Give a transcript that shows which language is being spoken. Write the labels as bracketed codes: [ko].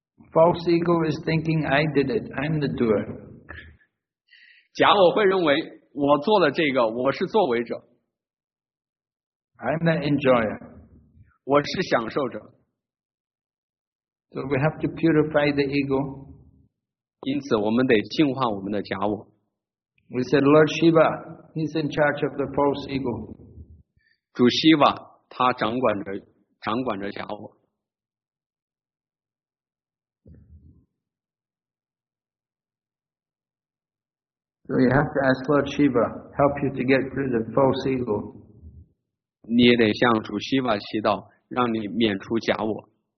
[en] False ego is thinking I did it, I'm the doer. [zh] 假我会认为我做了这个，我是作为者。 [en] I'm the enjoyer. [zh] 我是享受者。 [en] So we have to purify the ego. [zh] 因此我们得净化我们的假我。 [en] We said Lord Shiva, he's in charge of the false ego. [zh] 主希瓦他掌管着假我。 [en] So you have to ask Lord Shiva help you to get through the false ego. [zh] 你也得向主希瓦祈祷让你免除假我。